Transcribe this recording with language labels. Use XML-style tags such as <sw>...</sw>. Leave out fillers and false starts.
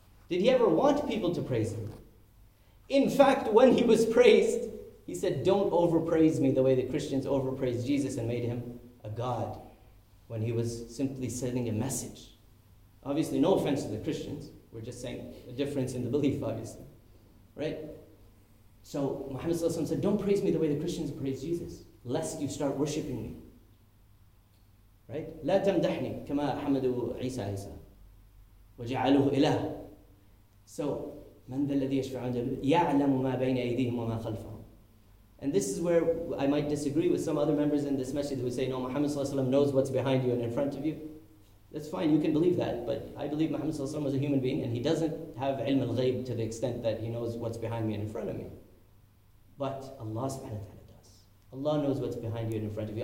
<en>Did he ever want people to praise him? In fact, when he was praised, he said, don't overpraise me the way the Christians overpraised Jesus and made him a god when he was simply sending a message. Obviously, no offense to the Christians. We're just saying a difference in the belief, obviously. Right? So Muhammad SAW said, don't praise me the way the Christians praise Jesus, lest you start worshipping me. Right?</en> <ar>لا تمدحني كما حمدوا عيسى عيسى وجعلوه إله. So من ذا الذي يشفع عنده يعلم ما بين أيديهم وما خلفهم.</ar> <en>And this is where I might disagree with some other members in this masjid who say, no, Muhammad SAW knows what's behind you and in front of you. That's fine, you can believe that, but I believe Muhammad SAW was a human being and he doesn't have ilm al-ghayb to the extent that he knows what's behind me and in front of me. But Allah subhanahu wa ta'ala does. Allah knows what's behind you and in front of you.</en>